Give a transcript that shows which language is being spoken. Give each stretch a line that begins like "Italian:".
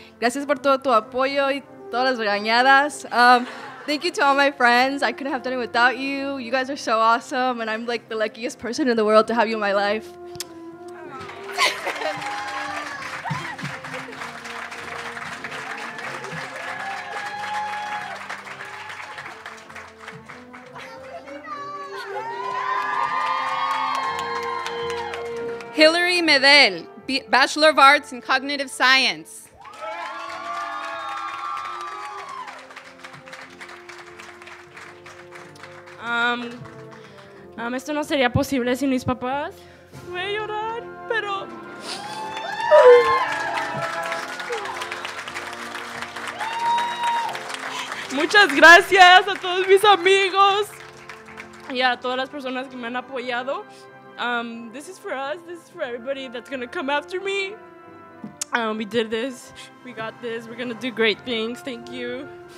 Spanish: Gracias por todo tu apoyo y todas las regañadas.
English: Thank you to all my friends. I couldn't have done it without you. You guys are so awesome, and I'm like the luckiest person in the world to have you in my life. Hillary Medel, Bachelor of Arts in Cognitive Science.
Spanish: Esto no sería posible sin mis papás. Voy a llorar, pero... Muchas gracias a todos mis amigos y a todas las personas que me han apoyado.
English: This is for us. This is for everybody that's going to come after me. We did this. We got this. We're going to do great things. Thank you.